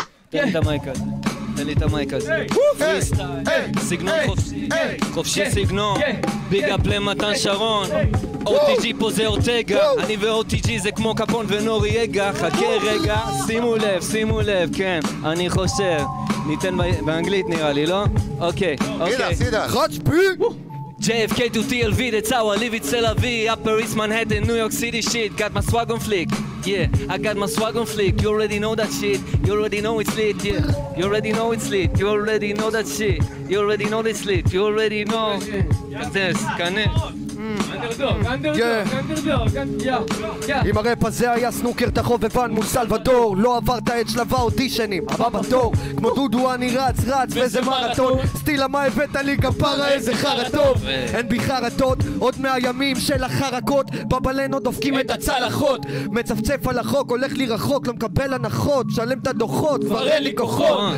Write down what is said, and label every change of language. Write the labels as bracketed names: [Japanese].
[Hebrew] תן לי את המייק הזה, תן לי את המייק הזה. סגנון חופשי, חופשי סגנון. ביג אפ למתן שרון. OTG פה זה אורטגה. אני ו-OTG זה כמו קפון ונוריגה. חכה רגע, שימו לב, שימו לב, כן. אני חושב, ניתן באנגלית נראה לי, לא? אוקיי, אוקיי. סידה, סידה. חאץ' ביג! [English] JFK to TLV, the tower, live it, sell a V, Upper East Manhattan, New York City shit, got my swag on fleek, yeah, I got my swag on fleek, you already know that shit, you already know it's lit, yeah, you already know it's lit, you already know that shit, you already know it's lit, you already know, this, can it? [Hebrew] אם הרפ הזה היה סנוקר את החובבן מול סלוודור לא עברת את שלב האודישנים, הבא בתור כמו דודו אני רץ רץ וזה מרתון סטילה מה הבאת לי כפרה איזה חרטוב אין בי חרטות עוד מהימים של החרקות בבלנו דופקים את הצלחות מצפצף על החוק הולך לי רחוק לא מקבל הנחות שלם את הדוחות כבר אין לי כוחות